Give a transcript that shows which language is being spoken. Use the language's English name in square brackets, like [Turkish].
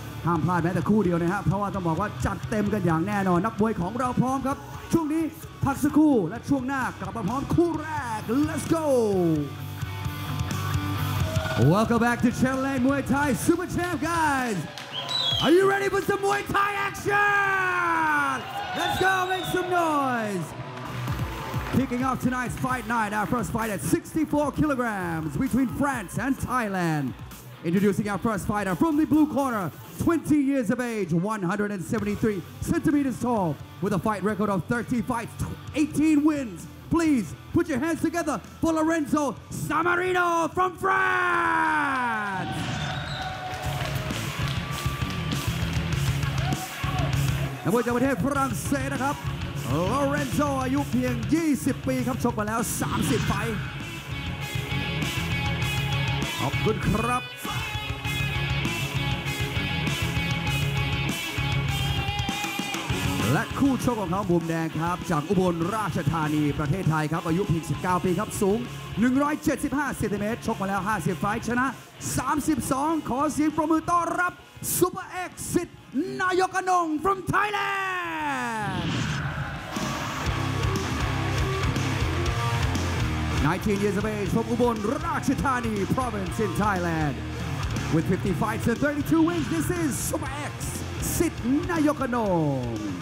[Thai] ห้ามพลาดแม้แต่คู่เดียวนะครับเพราะว่าต้องบอกว่าจัดเต็มกันอย่างแน่นอนนักมวยของเราพร้อมครับช่วงนี้พักสักครู่และช่วงหน้ากลับมาพร้อมคู่แรก [English] Let's go Welcome back to Channel 8 Muay Thai Super Champ guys Are you ready for some Muay Thai action Let's go make some noiseKicking off tonight's fight night, our first fight at 64 kilograms between France and Thailand. Introducing our first fighter from the blue corner, 20 years of age, 173 centimeters tall, with a fight record of 30 fights, 18 wins. Please put your hands together for Lorenzo Sammarino from France! And we're going to hear from France, right? [Thai] โลเรนโซอายุเพียง20ปีครับชกมาแล้ว30ไฟขอบคุณครับและคู่ชกของเขามุมแดงครับจากอุบลราชธานีประเทศไทยครับอายุเพียง19ปีครับสูง175เซนติเมตรชกมาแล้ว50ไฟชนะ 32ขอเสียงปรบมือต้อนรับซูเปอร์เอ็กซิตนายกอนง [English] from Thailand19 years of age from Ubon Ratchathani province in Thailand. With 50 fights and 32 wins, this is Super X Sit Nayokanong.